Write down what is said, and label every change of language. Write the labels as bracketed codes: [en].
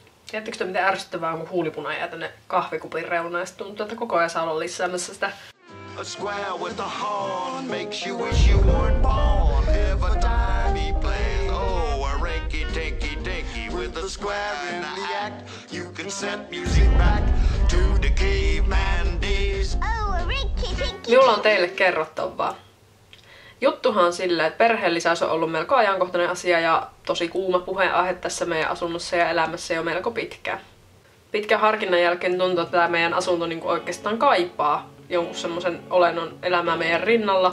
[fi] Tiedättekö te, miten ärsyttävää on, kun huulipuna jää tänne kahvikupin reunaan ja sitten tuntuu, että koko ajan saa olla lisäämässä sitä. [en] A square with a horn makes you wish you weren't born. Every time he plays, oh, a rinky-tinky dinky with a square in the act. You can set music back to the caveman days. Oh, a rinky-tinky. [fi] Minulla on teille kerrottavaa. Juttuhan on silleen, että perheenlisäys on ollut melko ajankohtainen asia ja tosi kuuma puheenaihe tässä meidän asunnossa ja elämässä jo melko pitkään. Pitkän harkinnan jälkeen tuntuu, että tämä meidän asunto niin kuin oikeastaan kaipaa jonkun semmoisen olennon elämää meidän rinnalla.